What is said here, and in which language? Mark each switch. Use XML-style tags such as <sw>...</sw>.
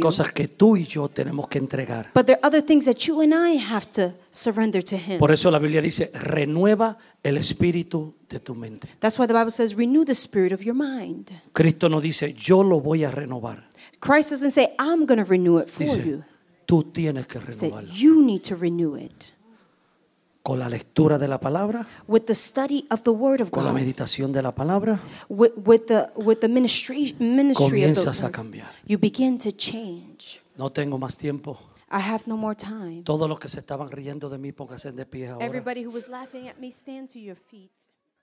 <es>Cosas que tú y yo tenemos que entregar.</es> <en>But there are other things that you and I have to surrender to him.</en> <es>Por eso la Biblia dice, renueva el espíritu de tu mente.</es> <en>That's why the Bible says, renew the spirit of your mind.</en> <es>Cristo no dice, yo lo voy a renovar.</es> <en>Christ doesn't say, I'm going to renew it for</en> <es>dice,</es> <en>you.</en> <es>Tú tienes que renovarlo.</es> <en>Say, you need to renew it.</en> <es>Con la lectura de la palabra.</es> <en>With the study of the word of</en> <es>con</es> <en>God.</en> <es>La meditación de la palabra.</es> <en>With the ministry</en> <es>comienzas word, a cambiar.</es> <en>You begin to change.</en> <es>No tengo más tiempo.</es> <en>I have no more time.</en> <es>Todos los que se estaban riendo de mí, pónganse de pie ahora.</es> <en>Everybody who was laughing at me, stand to your feet.</en>